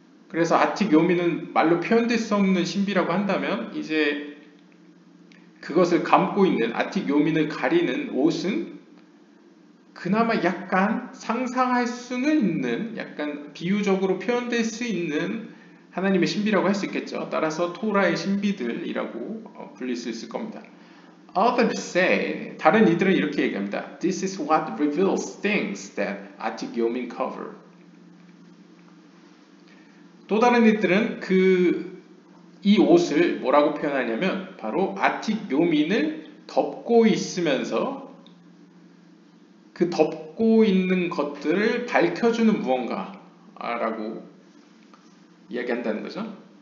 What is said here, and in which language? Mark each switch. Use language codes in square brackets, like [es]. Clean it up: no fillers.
[ko] 그래서 아틱 요민은 말로 표현될 수 없는 신비라고 한다면 이제 그것을 감고 있는 아틱 요민을 가리는 옷은 그나마 약간 상상할 수는 있는 약간 비유적으로 표현될 수 있는 하나님의 신비라고 할 수 있겠죠. 따라서 토라의 신비들이라고 불릴 수 있을 겁니다. [en] Others say, [ko] 다른 이들은 이렇게 얘기합니다. [en] This is what reveals things that Atik Yomin cover. [ko] 또 다른 이들은 이 옷을 뭐라고 표현하냐면 바로 아틱 요민을 덮고 있으면서 그 덮고 있는 것들을 밝혀주는 무언가라고 이야기한다는 거죠.